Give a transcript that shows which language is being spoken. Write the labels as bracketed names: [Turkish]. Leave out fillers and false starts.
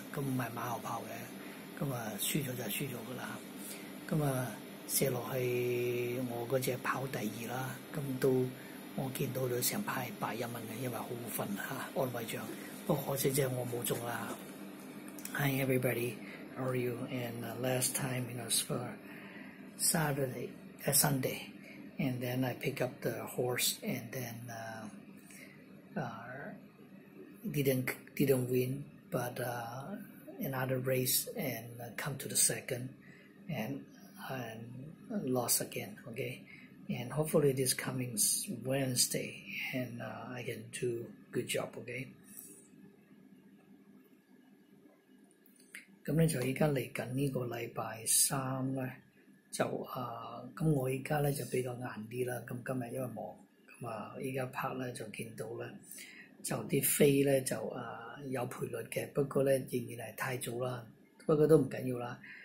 [Chinese] 咁唔係馬後炮嘅，咁啊輸咗就輸咗噶啦。咁啊射落去我嗰只跑第二啦。咁都我見到咗成排白一蚊嘅，因為好瞓嚇安慰獎。不過可惜啫，我冇中啦。 [English] Hi everybody, how are you? And last time, you know, for Saturday, Sunday, and then I pick up the horse, and then didn't win, but another race and come to the second and lost again. Okay, and hopefully this coming Wednesday and I can do good job. Okay. [Chinese] 咁咧就依家嚟緊呢個禮拜三咧，就咁我依家咧就比較硬啲啦。咁今日因為忙，咁啊依家拍咧就見到咧。就啲飛咧就有賠率嘅，不過咧仍然係太早啦，不過都唔緊要啦。